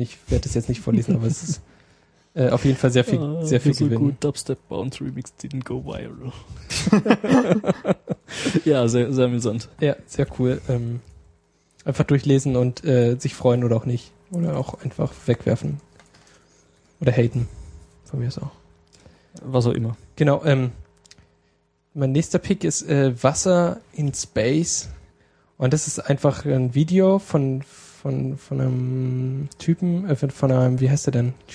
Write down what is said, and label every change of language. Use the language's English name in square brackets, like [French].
[German] Ich werde das jetzt nicht vorlesen, aber es ist auf jeden Fall sehr viel Gewinn. So gut, [English] Dubstep Bounce Remix didn't go viral. [German] Ja, sehr, sehr amüsant. Ja, sehr cool. Einfach durchlesen und sich freuen oder auch nicht. Oder auch einfach wegwerfen. Oder haten. Von mir aus auch. Was auch immer. Genau. Mein nächster Pick ist Wasser in Space. Und das ist einfach ein Video von einem Typen, von einem, wie heißt er denn?